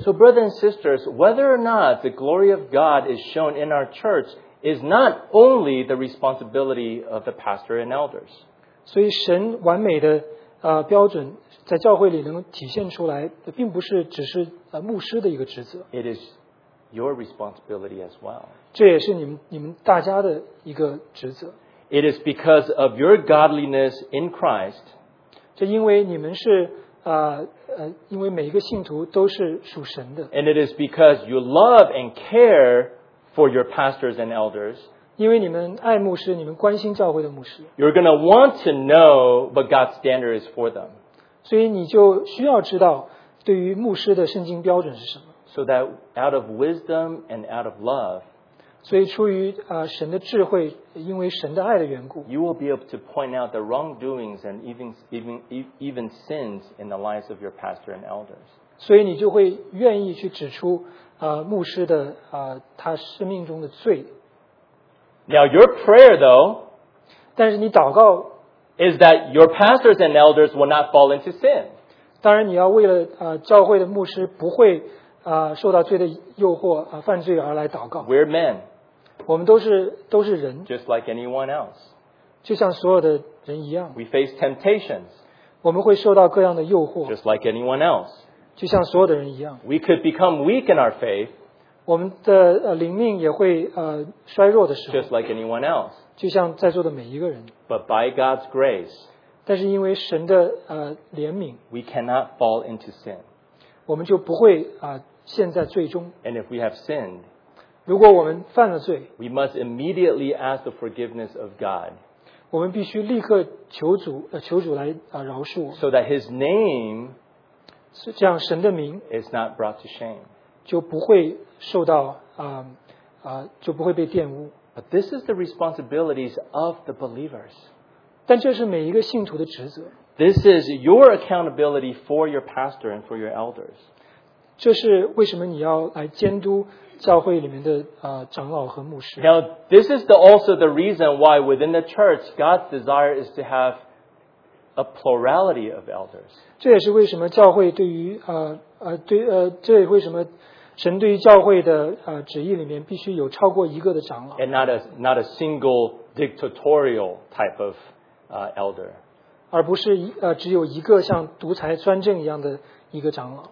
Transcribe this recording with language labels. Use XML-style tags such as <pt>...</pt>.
<en>So, brothers and sisters, whether or not the glory of God is shown in our church is not only the responsibility of the pastor and elders.</en> <zh>所以神完美的标准在教会里能体现出来，并不是只是牧师的一个职责。</zh> <en>It is your responsibility as well.</en> <zh>这也是你们大家的一个职责。</zh> <en>It is because of your godliness in Christ.</en> <zh>这因为你们是因为每一个信徒都是属神的。</zh> <en>And it is because you love and care for your pastors and elders.</en> <zh>因为你们爱牧师，你们关心教会的牧师。</zh> <en>You're going to want to know what God's standard is for them.</en> <zh>所以你就需要知道对于牧师的圣经标准是什么。</zh> <en>So that out of wisdom and out of love.</en> <zh>所以出于神的智慧，因为神的爱的缘故。</zh> <en>You will be able to point out the wrongdoings and even sins in the lives of your pastor and elders.</en> <zh>所以你就会愿意去指出牧师的他生命中的罪。</zh> <en>Now your prayer, though,</en> <zh>但是你祷告</zh> <en>is that your pastors and elders will not fall into sin.</en> <zh>当然你要为了教会的牧师不会受到罪的诱惑犯罪而来祷告。</zh> <en>We're men.</en> <zh>我们都是人。</zh> <en>Just like anyone else.</en> <zh>就像所有的人一样。</zh> <en>We face temptations.</en> <zh>我们会受到各样的诱惑。</zh> <en>Just like anyone else.</en> <zh>就像所有的人一样。</zh> <en>We could become weak in our faith.</en> <zh>我们的灵命也会衰弱的时候</zh> <en>Just like anyone else.</en> <zh>就像在座的每一个人</zh> <en>But by God's grace,</en> <zh>但是因为神的怜悯</zh> <en>we cannot fall into sin.</en> <zh>我们就不会陷在罪中</zh> <en>And if we have sinned,</en> <zh>如果我们犯了罪</zh> <en>we must immediately ask the forgiveness of God.</en> <zh>我们必须立刻求主来饶恕我</zh> <en>So that his name</en> <zh>是这样神的名</zh> <en>is not brought to shame.</en> <zh>就不会受到就不会被玷污。</zh> <en>But this is the responsibilities of the believers.</en> <zh>但这是每一个信徒的职责。</zh> <en>This is your accountability for your pastor and for your elders.</en> <zh>这是为什么你要来监督教会里面的长老和牧师。</zh> <en>Now, this is also the reason why within the church, God's desire is to have a plurality of elders.</en> <zh>这也是为什么教会对于这也为什么神对于教会的旨意里面必须有超过一个的长老</zh> <en>，and not a single dictatorial type of elder，</en> <zh>而不是只有一个像独裁专政一样的一个长老。</zh>